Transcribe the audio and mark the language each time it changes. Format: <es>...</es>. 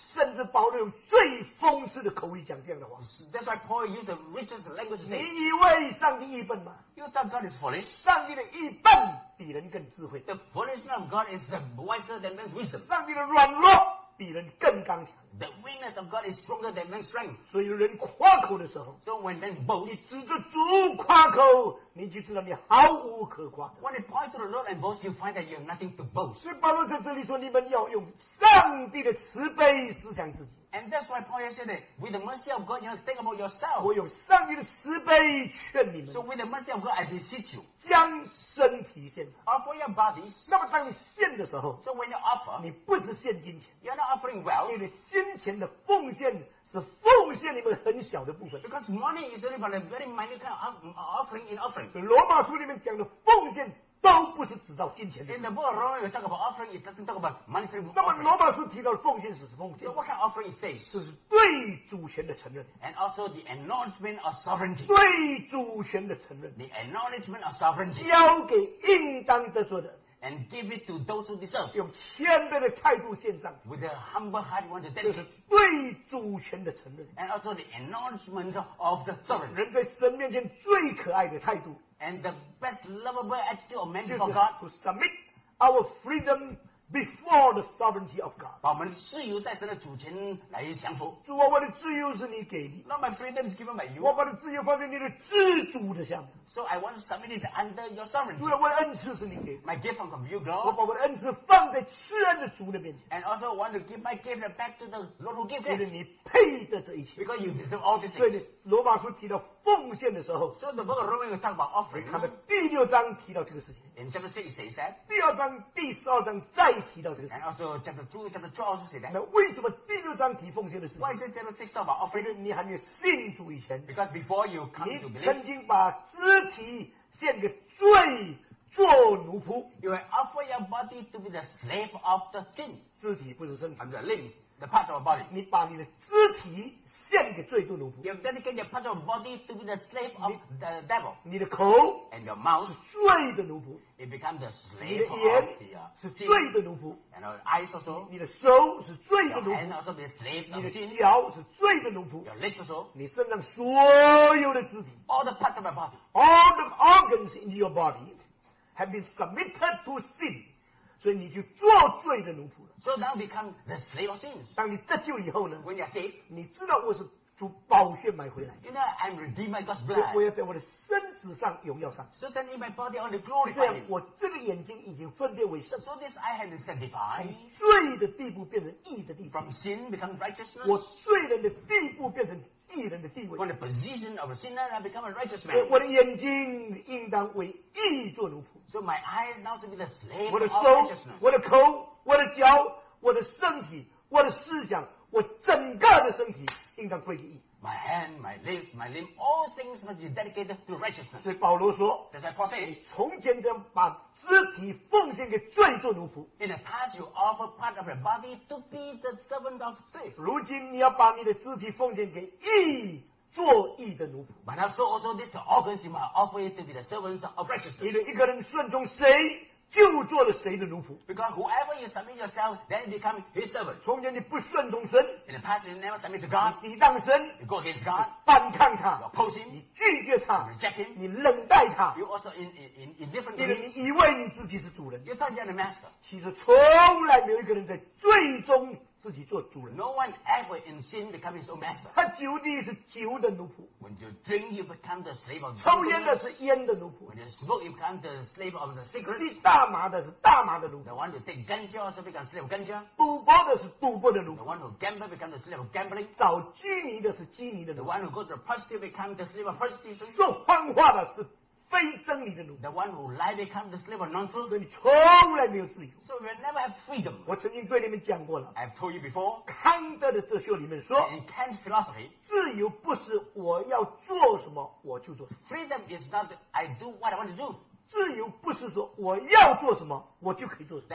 <zh>甚至保罗用最讽刺的口语讲这样的话</zh> <en>That's why Paul used the richest language</en> <zh>你以为上帝愚笨吗</zh> <en>You thought God is foolish.</en> <zh>上帝的愚笨比人更智慧。</zh> <en>The foolishness of God is wiser than man's wisdom.</en> <zh>上帝的软弱比人更刚强。</zh> <en>The weakness of God is stronger than man's strength.</en> <zh>所以人夸口的时候</zh> <en>，So when men boast,</en> <zh>你指着主夸口，你就知道你毫无可夸。</zh> <en>When you point to the Lord and boast, you find that you have nothing to boast.</en> <zh>所以保罗在这里说，你们要用上帝的慈悲思想自己。</zh> <en>And that's why Paul said that with the mercy of God, you have to think about yourself.</en> <zh>我有上帝的慈悲劝你们。</zh> <en>So with the mercy of God, I beseech you.</en> <zh>将身体献上。</zh> <en>Offer your bodies.</en> <zh>那么当你献的时候。</zh> <en>So when you offer.</en> <zh>你不是献金钱。</zh> <en>You're not offering wealth.</en> <zh>因为金钱的奉献。只奉献你们很小的部分。</zh> <en>Because money is only for a very minor kind of offering in offering.</en> <zh>罗马书里面讲的奉献都不是指到金钱的。</zh> <en>In the book of Romans, you talk about offering, it doesn't talk about monetary offering.</en> <zh>那么罗马书提到的奉献是奉献。</zh> <en>So what kind of offering is this?</en> <zh>是对主权的承认。</zh> <en>And also the acknowledgement of sovereignty.</en> <zh>对主权的承认。</zh> <en>The acknowledgement of sovereignty.</en> <zh>交给应当得做的。</zh> <en>And give it to those who deserve.</en> <zh>用谦卑的态度献上。</zh> <en>With a humble heart, want to dedicate.</en> <zh>这是对主权的承认。</zh> <en>And also the acknowledgement of the sovereignty.</en> <zh>人在神面前最可爱的态度。</zh> <en>And the best lovable attitude of man before God. To submit our freedom before the sovereignty of God.</en> <zh>把我们的自由在神的主权来降服。主啊，我的自由是你给的。</zh> <en>Not my freedom is given by you.</en> <zh>我把自由放在你的自主的下面。</zh> <en>So I want to submit it under your sovereignty.</en> <zh>主啊，我的恩赐是你给的。</zh> <en>My gift from you, God.</en> <zh>我把我的恩赐放在施恩的主那边。</zh> <en>And also want to give my gift back to the Lord who gave it.</en> <zh>因为你配得这一切。</zh> <en>Because you deserve all this.</en> <zh>所以罗马书提到奉献的时候。</zh> <en>So the book of Romans talk about offering.</en> <zh>他们第六章提到这个事情。</zh> <en>In chapter 6, say that.</en> <zh>第二章、第十二章再提到这个事情。</zh> <en>And also chapter 2, chapter 12 also say that.</en> <zh>那为什么第六章提奉献的事情？</zh> <en>Why is chapter 6 talk about offering?</en> <zh>你还没有信主以前。</zh> <en>Because before you come to believe.</en> <zh>你曾经把肢体献给罪做奴仆。</zh> <en>You offer your body to be the slave of the sin.</en> <zh>肢体不是身体。</zh> <en>And the limbs. The part of our body.</en> <zh>你把你的肢体献给罪做奴仆。</zh> <en>You dedicate your part of your body to be the slave of the devil.</en> <zh>你的口</zh> <en>and your mouth</en> <zh>是罪的奴仆。</zh> <en>It becomes the slave of the devil.</en> <zh>你的眼是罪的奴仆。</zh> <en>And your eyes also.</en> <zh>你的手是罪的奴仆。</zh> <en>Your hand also be a slave of sin.</en> <zh>你的脚是罪的奴仆。</zh> <en>Your legs also.</en> <zh>你身上所有的肢体</zh> <en>all the parts of my body. All the organs in your body have been submitted to sin.</en> <zh>所以你就做罪的奴仆了。</zh> <en>So now become the slave of sins.</en> <zh>当你得救以后呢</zh> <en>？When you're saved,</en> <zh>你知道我是主宝血买回来。</zh> <en>You know I'm redeemed by God's blood.</en> <zh>我要在我的身子上荣耀上。</zh> <en>So then in my body only glorified.</en> <zh>这样我这个眼睛已经分别为圣。</zh> <en>So this eye has been sanctified.</en> <zh>从罪的地步变成义的地步。</zh> <en>From sin become righteousness.</en> <zh>我罪人的地步变成义人的地位。</zh> <en>From the position of a sinner, I become a righteous man.</en> <zh>我的眼睛应当为义做奴仆。</zh> <en>So my eyes now should be the slave</en> <zh>我的手、我的口、我的脚、我的身体、我的思想、我整个的身体应当归义。</zh> <en>My hand, my lips, my limb, all things must be dedicated to righteousness.</en> <zh>所以保罗说</zh> <en>，That's why Paul says,</en> <zh>你从前将把肢体奉献给罪做奴仆。</zh> <en>In the past, you offer part of your body to be the servant of sin.</en> <zh>如今你要把你的肢体奉献给义。做义的奴仆。</zh> <en>But now, so also this organs you must offer it to be the servants of righteousness.</en> <zh>你的一个人顺从谁，就做了谁的奴仆。</zh> <en>Because whoever you submit yourself, then become his servant.</en> <zh>从前你不顺从神。</zh> <en>In the past, you never submit to God.</en> <zh>你抵挡神。</zh> <en>You go against God.</en> <zh>反抗他。</zh> <en>You oppose him.</en> <zh>你拒绝他。</zh> <en>You reject him.</en> <zh>你冷待他。</zh> <en>You also in different ways.</en> <zh>因为你以为你自己是主人。</zh> <en>You thought you're the master.</en> <zh>其实从来没有一个人在最终自己做主人。</zh> <en>No one ever in sin becomes his own master.</en> <zh>他酒的是酒的奴仆。</zh> <en>When you drink, you become the slave of the.</en> <zh>抽烟的是烟的奴仆。</zh> <en>When you smoke, you become the slave of the cigarette.</en> <zh>吸大麻的是大麻的奴仆。</zh> <en>The one who take ganja also becomes slave of ganja.</en> <zh>赌博的是赌博的奴仆。</zh> <en>The one who gamble becomes the slave of gambling.</en> <zh>找妓女的是妓女的奴仆。</zh> <en>The one who goes to the prostitute becomes the slave of prostitution.</en> <zh>说谎话的是非真理的奴仆。</zh> <en>The one who lie becomes the slave of nonsense.</en> <zh>所以你从来没有自由。</zh> <en>So we never have freedom.</en> <zh>我曾经对你们讲过了。</zh> <en>I've told you before.</en> <zh>康德的哲学里面说。</zh> <en>In Kant's philosophy.</en> <zh>自由不是我要做什么我就做什么。</zh> <en>Freedom is not I do what I want to do.</en> <zh>自由不是说我要做什么我就可以做什么。</zh>